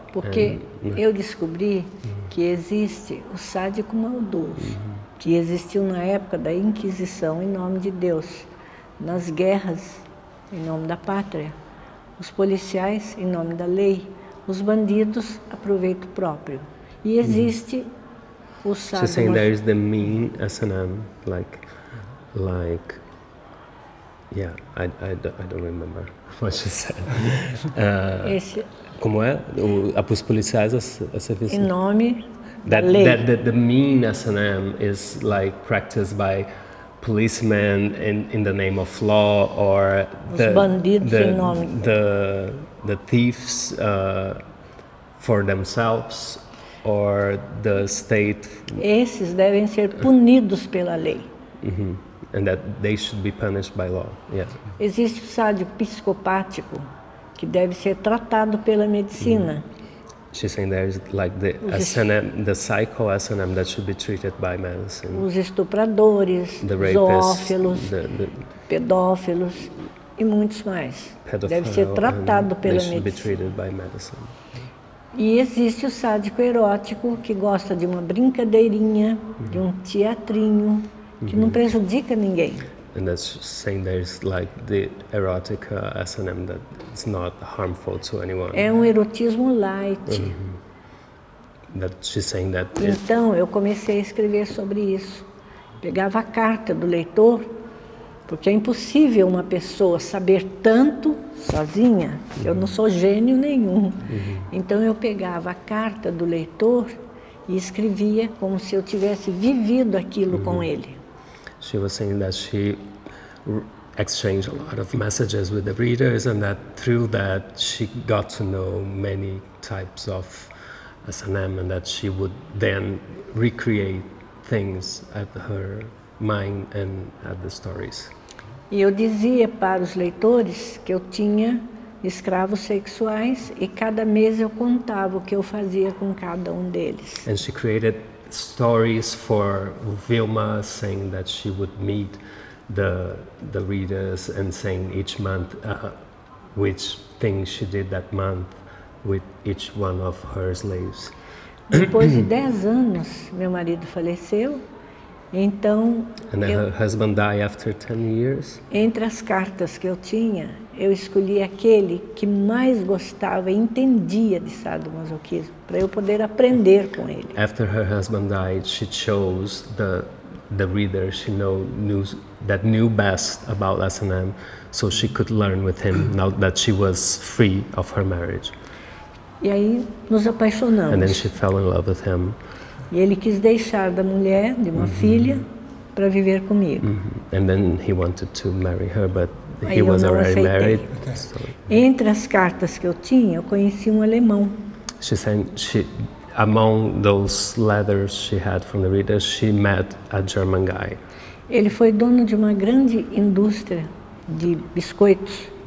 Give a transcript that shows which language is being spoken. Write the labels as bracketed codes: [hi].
[pt] Porque eu descobri que existe o Sade como o Dolce. Que existiu na época da Inquisição, em nome de Deus, nas guerras, em nome da pátria, os policiais, em nome da lei, os bandidos, a proveito próprio. E existe o sadomasoquismo. [en] She's saying there is the mean S&M, like, yeah, I don't remember what she said. [pt] Esse, como é? Os policiais, a serviço. Em nome... [en] That the mean S&M is like practiced by policemen in the name of law, or the thieves for themselves, or the state. [pt] Esses devem ser punidos pela lei. Mm-hmm. [en] and that they should be punished by law. Yeah. [pt] Existe o sádio psicopático que deve ser tratado pela medicina. [en] She's saying there's like the SNM, the psycho SNM that should be treated by medicine. [pt] Os estupradores, [en] the rapists, [pt] zoófilos, the pedófilos e muitos mais. Deve ser tratado pela medicina. [en] They should be treated by medicine. [pt] E existe o sádico erótico que gosta de uma brincadeirinha, de um teatrinho, que não prejudica ninguém. [en] And that's saying there's like the erotic SNM that it's not harmful to anyone. [pt] É erotismo light. [en] That she's saying that. [pt] Então eu comecei a escrever sobre isso. Pegava a carta do leitor, porque é impossível uma pessoa saber tanto sozinha. Eu não sou gênio nenhum. Então eu pegava a carta do leitor e escrevia como se eu tivesse vivido aquilo com ele. [en] She was saying that she exchanged a lot of messages with the readers, and that through that she got to know many types of SNM, and that she would then recreate things at her mind and at the stories. [pt] E eu dizia para os leitores que eu tinha escravos sexuais e cada mês eu contava o que eu fazia com cada deles. [en] And she created stories for Wilma, saying that she would meet the readers and saying each month which thing she did that month with each one of her slaves. [pt] Depois de 10 anos, meu marido faleceu. Então, [en] and her husband died after 10 years. [pt] Entre as cartas que eu tinha, eu escolhi aquele que mais gostava e entendia de sadomasoquismo, para eu poder aprender com ele. [en] After her husband died, she chose the reader she knew best about S&M, so she could learn with him now that she was free of her marriage. [pt] E aí nos apaixonamos. [en] And then she fell in love with him. [pt] E ele quis deixar da mulher, de uma filha, para viver comigo. [en] And then he wanted to marry her, but he was already married. So. [pt] Entre as cartas que eu tinha, eu conheci alemão. [en] She said she, among those letters she had from the readers, she met a German guy. [pt] Ele foi dono de uma grande indústria de biscoitos no Brasil.